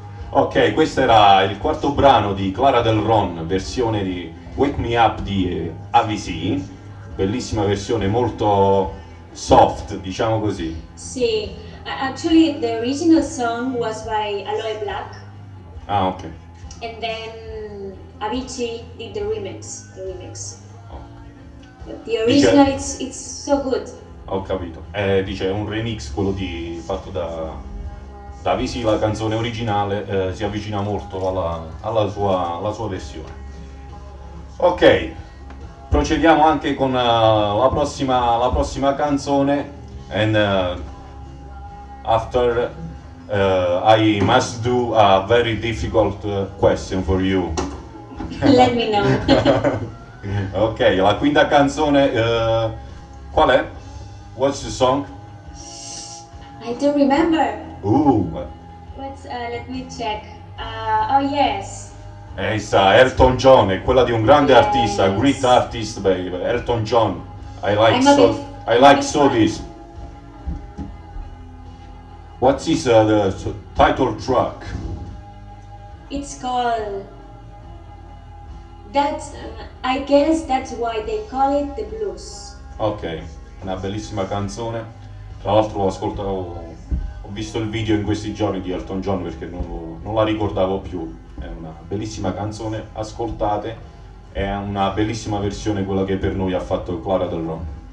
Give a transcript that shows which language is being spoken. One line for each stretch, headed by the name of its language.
Italian: Ok, questo era il quarto brano di Clara Del Ron, versione di Wake Me Up di AVC, bellissima versione, molto soft, diciamo così.
English: Sì, actually the original song was by Aloe Black. Ah, ok. And then AVC did the remix. The original, dice, it's so good.
Italian: Ho capito. Dice un remix, quello di fatto da Visi, la canzone originale si avvicina molto alla sua versione. Ok, procediamo anche con la prossima canzone.
English: And after I must do a very difficult question for you. Let me know.
Italian: Ok, la quinta canzone, qual è?
English: What's the song? I don't remember. Let me check. Yes.
Italian: Essa, Elton John, è quella di un grande artista,
English: great artist, baby. Elton John. I like this. What's his the title track? It's called... That's, I guess that's why they call it the blues.
Italian: Ok, una bellissima canzone. Tra l'altro ho visto il video in questi giorni di Elton John, perché non la ricordavo più. È una bellissima canzone, ascoltate. È una bellissima versione quella che per noi ha fatto Clara Del Ron.